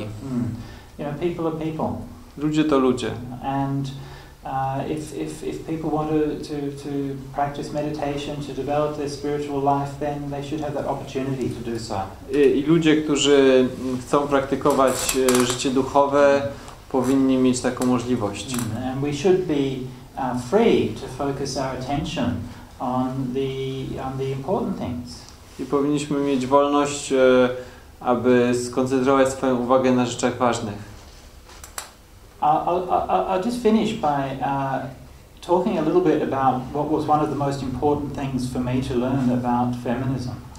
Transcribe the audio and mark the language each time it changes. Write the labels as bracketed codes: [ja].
[en] You know, people are people. [pl] Ludzie to ludzie. [en] And if people want to practice meditation, to develop their spiritual life, then they should have that opportunity to do so. [pl] I ludzie, którzy chcą praktykować życie duchowe, powinni mieć taką możliwość. [en] And we should be free to focus our attention on the important things. [pl] I powinniśmy mieć wolność, aby skoncentrować swoją uwagę na rzeczach ważnych. [en] I'll just finish by talking a little bit about what was one of the most important things for me to learn about feminism.